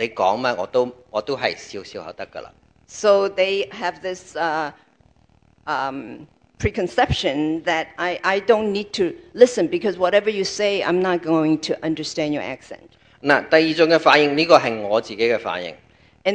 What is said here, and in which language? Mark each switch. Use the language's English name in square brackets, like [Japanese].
[Chinese] 所以他們第一種的反應就是抱著心不聽了，你說什麼我都是笑笑就可以了。So [English] they have this preconception that I don't need to listen because whatever you say, I'm not going to understand your accent. [Chinese] 第二種的反應，這個是我自己的反應。And